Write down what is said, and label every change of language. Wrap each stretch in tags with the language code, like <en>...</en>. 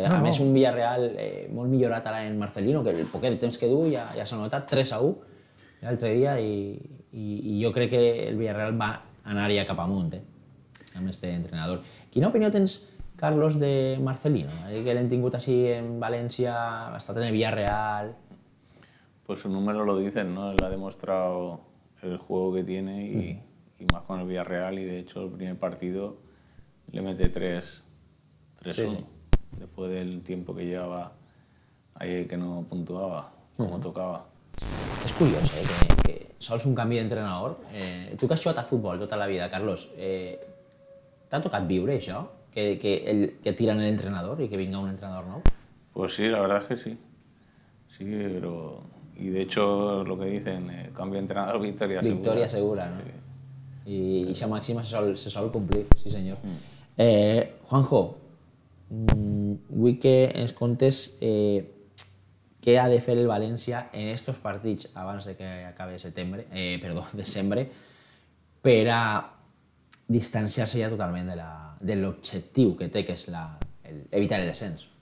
<ca>No, a més, un Villarreal molt millorat ara en Marcelino, que el poquet de temps que du ja s'ha notat, 3-1, l'altre dia, i jo crec que el Villarreal va anar ja cap amunt, amb este entrenador. Quina opinió tens, Carlos, de Marcelino? Que l'hem tingut així en València, ha estat en el Villarreal...</ca> <es>Pues su número lo dicen, ¿no? Él ha demostrado el juego que tiene y más con el Villarreal, y de hecho el primer partido le mete 3-1, después del tiempo que llevaba ahí que no puntuaba como tocaba.</es> <ca>Es curioso, ¿eh? Que sols un canvi d'entrenador. Tu que has jugat a futbol tota la vida, Carlos, t'ha tocat viure això? Que tiren l'entrenador i que vinga un entrenador nou?</ca> <es>Pues sí, la verdad es que sí. Sí, pero... Y de hecho, lo que dicen, cambio de entrenador, victoria segura. Segura, ¿no? Sí. Y esa máxima se sol cumplir, sí señor.</es> <ca>Juanjo, vull que ens contes què ha de fer el València en estos partits abans de que acabe desembre, per a distanciar-se ja totalment de l'objectiu que té, que és evitar el descens.</ca>